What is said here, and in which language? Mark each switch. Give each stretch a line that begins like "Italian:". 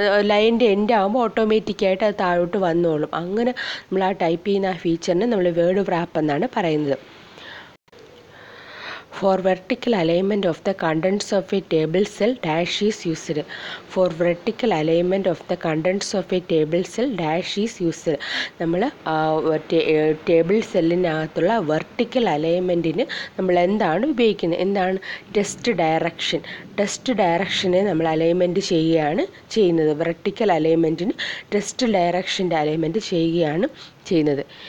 Malayalam: ലൈൻ്റെ end ആകുമ്പോൾ ഓട്ടോമാറ്റിക്കായിട്ട് അത് താഴോട്ട് വന്നോളും. അങ്ങനെ നമ്മൾ ആ ടൈപ്പ് ചെയ്യുന്ന ആ ഫീച്ചറിന് നമ്മൾ വേർഡ് റാപ്പ് എന്നാണ് പറയുന്നത്.
English: For vertical alignment of the contents of a table cell, dash is used. For vertical alignment of the contents of a table cell, dash is used.
Malayalam: നമ്മള് ടേബിൾ സെല്ലിനകത്തുള്ള വെർട്ടിക്കൽ അലൈൻമെൻറ്റിന് നമ്മൾ എന്താണ് ഉപയോഗിക്കുന്നത്? എന്താണ് ടെസ്റ്റ് ഡയറക്ഷൻ? ടെസ്റ്റ് ഡയറക്ഷനെ നമ്മൾ alignment ചെയ്യുകയാണ് ചെയ്യുന്നത്. Vertical അലൈൻമെൻറ്റിന് test ഡയറക്ഷൻ്റെ alignment ചെയ്യുകയാണ് ചെയ്യുന്നത്.